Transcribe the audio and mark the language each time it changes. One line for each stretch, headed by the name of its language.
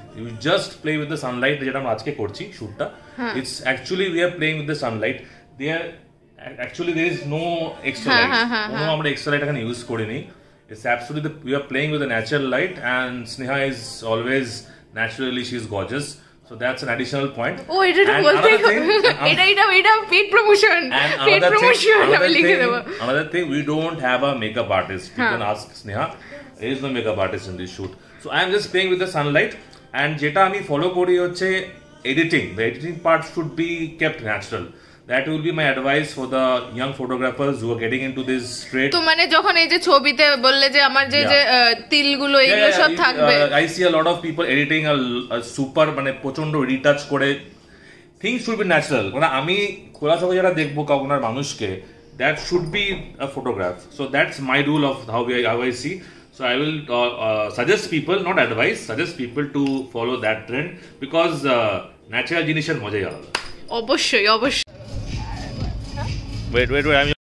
English: You just play with the sunlight.
Bangla: যেটা আমরা আজকে করছি শ্যুটটা,
English: It's actually we are playing with the sunlight. There actually there is no extra light.
Bangla: কোনো আমরা extra light এখানে use করিনি.
English: It's absolutely we are playing with the natural light. And Sneha is always naturally, she is gorgeous. So that's an additional point. Oh, it is worth it. It is paid promotion. Paid promotion. Another thing, we don't have a makeup artist. You can ask Sneha. There is no makeup artist in this shoot. So I am just playing with the sunlight. And
Bangla: jeta ami follow kori hoche
English: editing. The editing part should be kept natural. That will be my advice for the young photographers who are getting into this trade.
Bangla: তো মানে যখন এই যে ছবিতে বললে যে আমার যে যে তিলগুলো এইগুলো সব থাকবে.
English: I see a lot of people editing a super
Bangla: মানে প্রচন্ড রিটাচ করে.
English: Things should be natural.
Bangla: মানে আমি খোলা চোখে যারা দেখবো কাউকার মানুষকে,
English: that should be a photograph. So that's my rule of how I see. So I will suggest people, not advise, suggest people to follow that trend because natural generation
Bangla: মজাই আলাদা. অবশ্যই অবশ্যই.
English: Wait, I'm